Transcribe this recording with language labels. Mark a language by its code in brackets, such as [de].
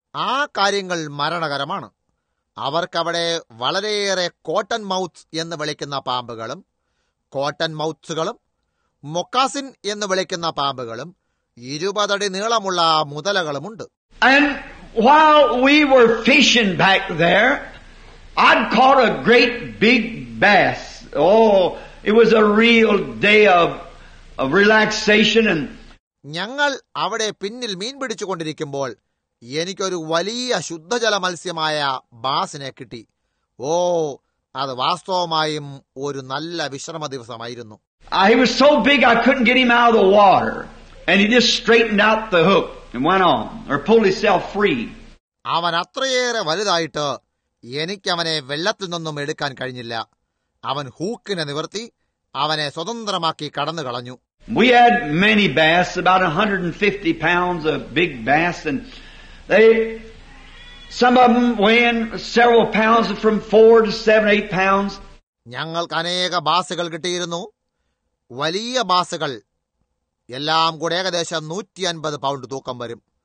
[ml] ആ കാര്യങ്ങൾ മരണകരമാണ്. അവർക്കവിടെ വളരെയേറെ കോട്ടൺ മൗത്ത് എന്ന് വിളിക്കുന്ന പാമ്പുകളും കോട്ടൺ മൗത്തുകളും മൊക്കാസിൻ എന്ന് വിളിക്കുന്ന പാമ്പുകളും 20 feet നീളമുള്ള മുതലകളുമുണ്ട്. [en] And while we were fishing back there, I'd caught a great big bass. Oh, it was a real day of relaxation. And [ml] ഞങ്ങൾ അവിടെ പിന്നിൽ മീൻ പിടിച്ചുകൊണ്ടിരിക്കുമ്പോൾ എനിക്കൊരു വലിയ ശുദ്ധജല മത്സ്യമായ ബാസിനെ കിട്ടി. ഓ, അത് വാസ്തവമായും ഒരു നല്ല വിശ്രമ ദിവസമായിരുന്നു. [en] He was so big I couldn't get him out of the water. And he just straightened out the hook and went on, or pulled himself free. [ml] അവൻ അത്രയേറെ വലുതായിട്ട് എനിക്ക് അവനെ വെള്ളത്തിൽ നിന്നും എടുക്കാൻ കഴിഞ്ഞില്ല. അവൻ ഹൂക്കിനെ നിവർത്തി അവനെ സ്വതന്ത്രമാക്കി കടന്നു കളഞ്ഞു. [en] We had many bass, about 150 pounds of big bass, and they, some of them weighing several pounds from 4 to 7, 8 pounds. [ml] ഞങ്ങൾക്ക് അനേക ബാസുകൾ കിട്ടിയിരുന്നു. വലിയ ബാസുകൾ, എല്ലാം കൂടെ ഏകദേശം 150 പൗണ്ട് തൂക്കം വരും.